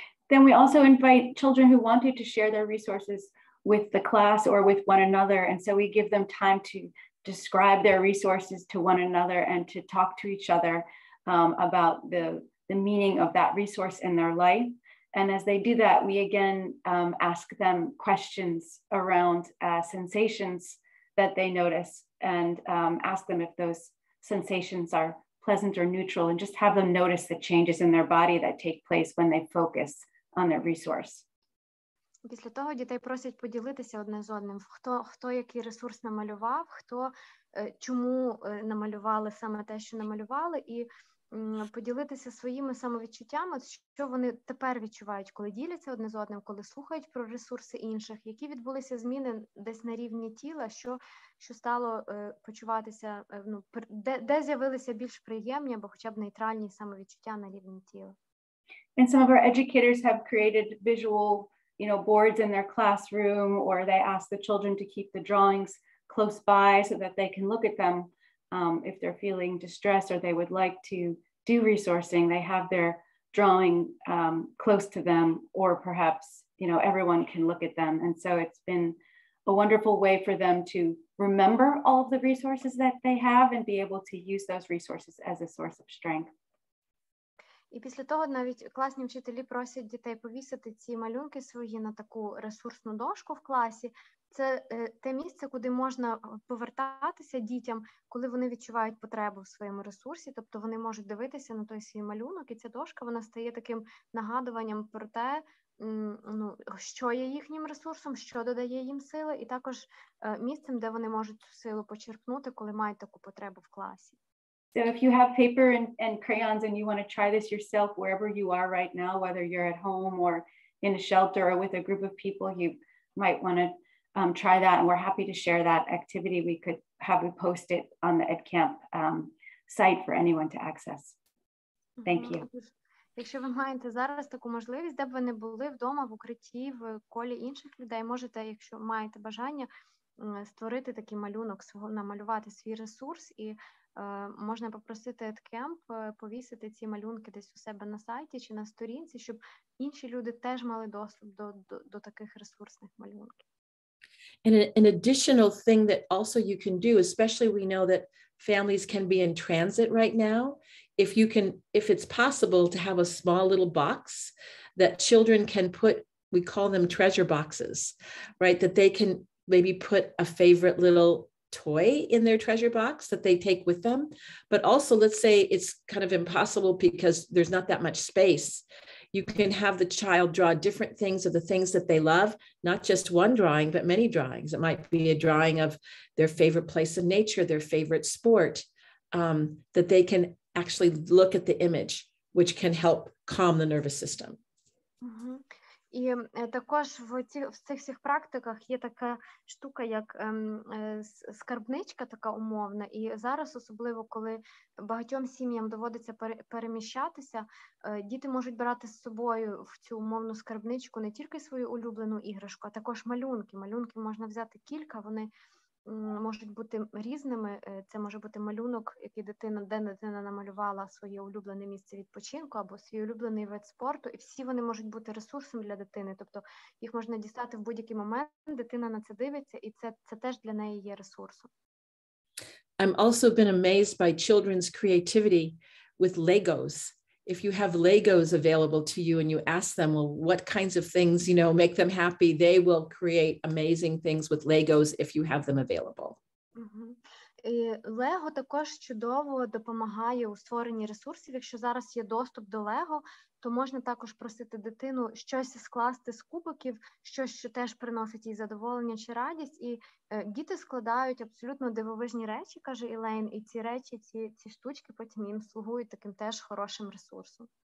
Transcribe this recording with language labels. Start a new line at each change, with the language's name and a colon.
English: Then we also invite children who wanted to share their resources with the class or with one another, and so we give them time to describe their resources to one another and to talk to each other about the meaning of that resource in their life. And as they do that, we again ask them questions around sensations that they notice, and ask them if those sensations are pleasant or neutral, and just have them notice the changes in their body that take place when they focus on their resource.
Ukrainian: Після того дітей просять поділитися одне з одним, хто який ресурс намалював, хто чому намалювали саме те, що намалювали, і поділитися своїми самовідчуттями, що вони тепер відчувають, коли діляться одне з одним, коли слухають про ресурси інших, які відбулися зміни десь на рівні тіла, що стало почуватися, ну, де з'явилися більш приємні або хоча б нейтральні самовідчуття на рівні тіла.
English: And some of our educators have created visual, you know, boards in their classroom, or they ask the children to keep the drawings close by so that they can look at them. If they're feeling distressed or they would like to do resourcing, they have their drawing close to them, or perhaps, you know, everyone can look at them. And so it's been a wonderful way for them to remember all of the resources that they have and be able to use those resources as a source of strength.
Ukrainian: І після того навіть класні вчителі просять дітей повісити ці малюнки свої на таку ресурсну дошку в класі. Це те місце, куди можна повертатися дітям, коли вони відчувають потребу в своєму ресурсі, тобто вони можуть дивитися на той свій малюнок, і ця дошка, вона стає таким нагадуванням про те, ну, що є їхнім ресурсом, що додає їм сили, і також місцем, де вони можуть цю силу почерпнути, коли мають таку потребу в класі.
English: So if you have paper and crayons and you want to try this yourself wherever you are right now, whether you're at home or in a shelter or with a group of people, you might want to try that. And we're happy to share that activity. We could have you post it on the EdCamp site for anyone to access. Thank you.
Ukrainian: Якщо ви маєте зараз таку можливість, де б ви не були, вдома, в укритті, в колі інших людей, можете, якщо маєте бажання, створити такий малюнок, намалювати свій ресурс, і можна попросити EdCamp повісити ці малюнки десь у себе на сайті чи на сторінці, щоб інші люди теж мали доступ до таких ресурсних малюнків.
English: And an additional thing that also you can do, especially we know that families can be in transit right now, if you can, if it's possible to have a small little box that children can put, we call them treasure boxes, right? That they can maybe put a favorite little toy in their treasure box that they take with them. But also, let's say it's kind of impossible because there's not that much space. You can have the child draw different things of the things that they love, not just one drawing, but many drawings. It might be a drawing of their favorite place in nature, their favorite sport, that they can actually look at the image, which can help calm the nervous system. Mm-hmm.
Ukrainian: І також в цих всіх практиках є така штука, як скарбничка така умовна. І зараз, особливо, коли багатьом сім'ям доводиться переміщатися, діти можуть брати з собою в цю умовну скарбничку не тільки свою улюблену іграшку, а також малюнки. Малюнки можна взяти кілька, вони можуть бути різними. Це може бути малюнок, який дитина, де дитина намалювала своє улюблене місце відпочинку або свій улюблений вид спорту, і всі вони можуть бути ресурсом для дитини, тобто їх можна дістати в будь-який момент, дитина на це дивиться, і це теж для неї є ресурсом.
English: I've also been amazed by children's creativity with Legos. If you have Legos available to you and you ask them, well, what kinds of things, you know, make them happy, they will create amazing things with Legos if you have them available.
Ukrainian: Лего також чудово допомагає у створенні ресурсів. Якщо зараз є доступ до Лего, то можна також просити дитину щось скласти з кубиків, щось, що теж приносить їй задоволення чи радість. І діти складають абсолютно дивовижні речі, каже Елейн, і ці речі, ці штучки потім їм слугують таким теж хорошим ресурсом.